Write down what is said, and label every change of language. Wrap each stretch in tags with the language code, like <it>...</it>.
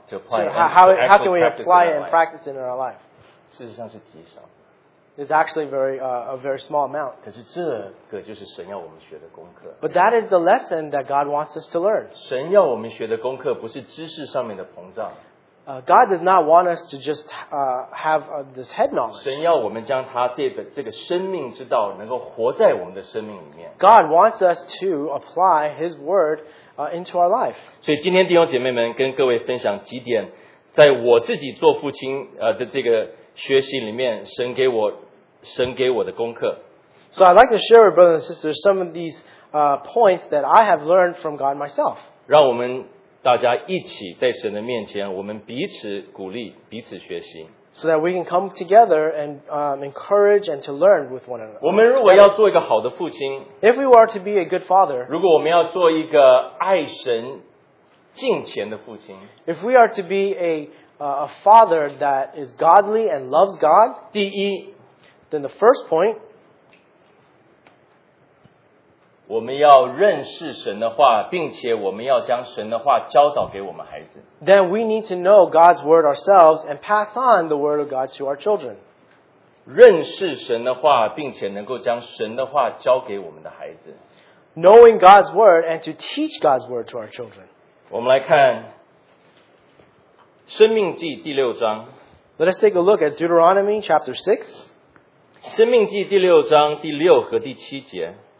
<en>How can we apply it and practice it in our life?</en> <zh>事实上是极少。</zh> <en>It's actually a very small amount.</en> <zh>可是这个就是神要我们学的功课。</zh> <en>But that is the lesson that God wants us to learn.</en> <zh>神要我们学的功课不是知识上面的膨胀。</zh> <en>God does not want us to just have this head knowledge.</en> <zh>神要我们将他这个生命之道能够活在我们的生命里面。</zh> <en>God wants us to apply His word into our life.</en> <zh>所以今天弟兄姐妹们跟各位分享几点，在我自己做父亲的这个。学习里面神给我的功课。</zh> <en>So I'd like to share with brothers and sisters some of these points that I have learned from God myself.</en> <zh>让我们大家一起在神的面前，我们彼此鼓励，彼此学习。</zh> <en>So that we can come together and encourage and to learn with one another.</en> <zh>我们如果要做一个好的父亲,</zh> <en>if we are to be a good father,</en> <zh>如果我们要做一个爱神敬虔的父亲,</zh> <en>if we are to be a father that is godly and loves God,</en> <zh>第一,</zh> <en>then the first point,</en> <zh>我们要认识神的话, 并且我们要将神的话教导给我们孩子。</zh> <en>Then we need to know God's word ourselves and pass on the word of God to our children.</en> <zh>认识神的话, 并且能够将神的话教给我们的孩子。</zh> <en>Knowing God's word and to teach God's word to our children.</en> <zh>我们来看, 生命记第六章。</zh> <en>Let us take a look at Deuteronomy chapter 6.</en> <zh>生命记第六章第六和第七节。</zh>